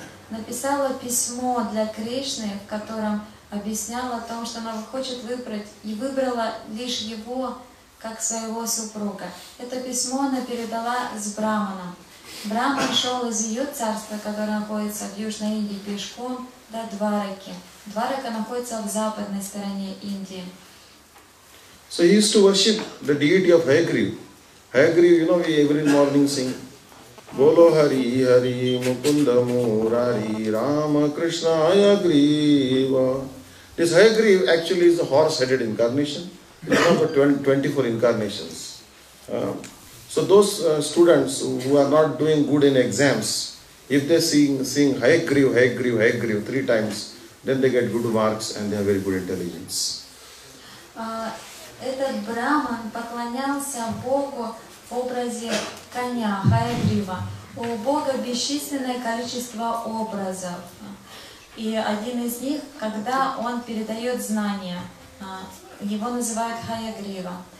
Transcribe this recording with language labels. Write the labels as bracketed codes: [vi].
[ru] Написала письмо для Кришны, в котором объясняла о том, что она хочет выбрать, и выбрала лишь его, как своего супруга. Это письмо она передала с брахманом. Брахман шел из ее царства, которое находится в Южной Индии, пешком до Двараки. Дварака находится в западной стороне Индии. [en] So he used to worship the deity of Hayagriv. Hayagriv, you know, we every morning sing. [sa] Bolo Hari Hari Mukunda Murari Rama Krishna Hayagriva. [en] This Hayagriva actually is a horse-headed incarnation. It is one of the 24 incarnations. So those students who are not doing good in exams, if they sing Hayagriva, Hayagriva, Hayagriva three times, then they get good marks and they have very good intelligence. [ru] Этот Брахман поклонялся Богу в образе коня, Хаягрива. У Бога бесчисленное количество образов. И один из них, когда он передает знания, его называют Хаягрива.